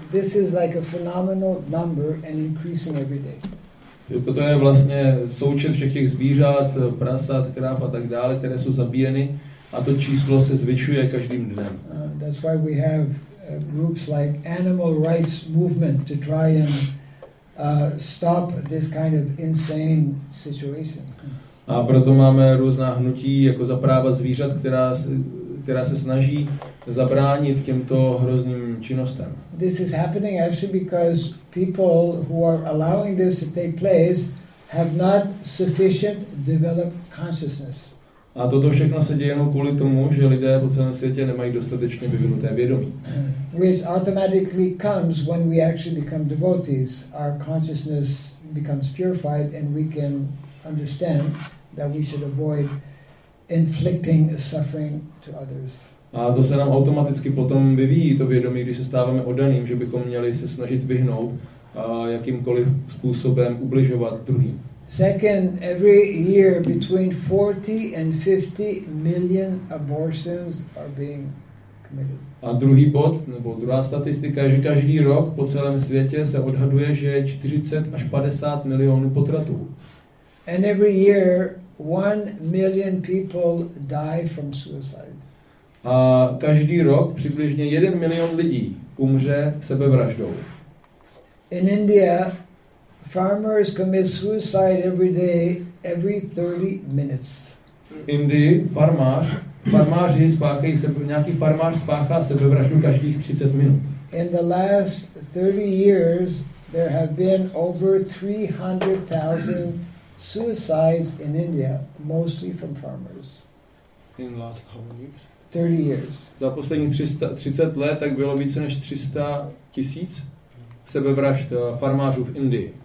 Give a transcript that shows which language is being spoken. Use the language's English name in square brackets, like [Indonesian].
[English] This is like a phenomenal number and increasing every day. [Czech] Toto je vlastně součet všech těch zvířat, prasat, kráv a tak dále, které jsou zabíjeny, a to číslo se zvyšuje každým dnem. [English] That's why we have groups like Animal Rights Movement to try and stop this kind of insane situation. [Czech] A proto máme různá hnutí jako za práva zvířat, která se snaží zabránit těmto hrozným činnostem. [English] This is happening actually because people who are allowing this to take place have not sufficient developed consciousness. [Czech] A toto všechno se děje jenom kvůli tomu, že lidé po celém světě nemají dostatečně vyvinuté vědomí. [English] Which automatically comes when we actually become devotees. Our consciousness becomes purified and we can understand that we should avoid inflicting suffering to others. [Czech] A to se nám automaticky potom vyvíjí to vědomí, když se stáváme oddaným, že bychom měli se snažit vyhnout jakýmkoliv způsobem ubližovat druhým. [English] Second, every year between 40 and 50 million abortions are being committed. [Czech] A druhý bod, nebo druhá statistika je, že každý rok po celém světě se odhaduje, že je 40 až 50 milionů potratů. [English] And every year 1 million people die from suicide. [Czech] A každý rok přibližně 1 milion lidí umře sebevraždou. [English] In India, farmers commit suicide every day, every 30 minutes. [Czech] Indii farmář spáchá sebevraždu každých 30 minut. [English] In the last 30 years, there have been over 300,000 suicides in India, mostly from farmers. In last how many years? 30 years. [Czech] Za posledních 30 let tak bylo více než 300 tisíc sebevražd farmářů v Indii.